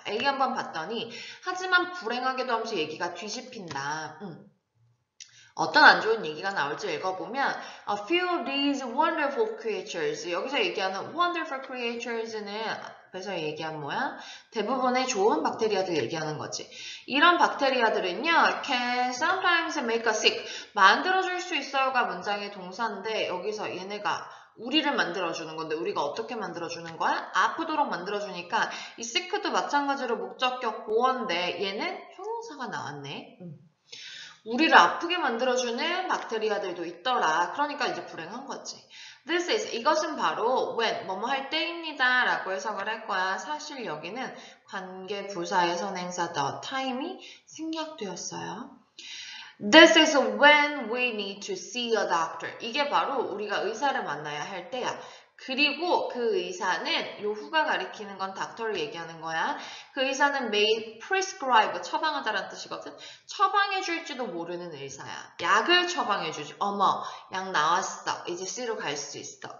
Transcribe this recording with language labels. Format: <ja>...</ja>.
<ko>A 한번 봤더니 하지만 불행하게도 하면서 얘기가 뒤집힌다. 어떤 안 좋은 얘기가 나올지 읽어보면</ko> <en>A few of these wonderful creatures,</en> <ko>여기서 얘기하는 wonderful creatures는 그래서 얘기한 뭐야? 대부분의 좋은 박테리아들 얘기하는 거지. 이런 박테리아들은요,</ko> <en>can sometimes make us sick.</en> <ko>만들어줄 수 있어요가 문장의 동사인데, 여기서 얘네가 우리를 만들어주는 건데, 우리가 어떻게 만들어주는 거야? 아프도록 만들어주니까, 이 sick도 마찬가지로 목적격 보어인데, 얘는 형용사가 나왔네. 우리를 아프게 만들어주는 박테리아들도 있더라. 그러니까 이제 불행한 거지. This is, 이것은 바로 when, 뭐뭐 할 때입니다 라고 해석을 할 거야. 사실 여기는 관계 부사의 선행사 the time이 생략되었어요.</ko> <en>This is when we need to see a doctor.</en> <ko>이게 바로 우리가 의사를 만나야 할 때야. 그리고 그 의사는 요 후가 가리키는 건 닥터를 얘기하는 거야. 그 의사는</ko> <en>may prescribe</en> <ko>처방하다라는 뜻이거든. 처방해 줄지도 모르는 의사야. 약을 처방해 주지. 어머, 약 나왔어. 이제 씨로 갈수 있어.</ko>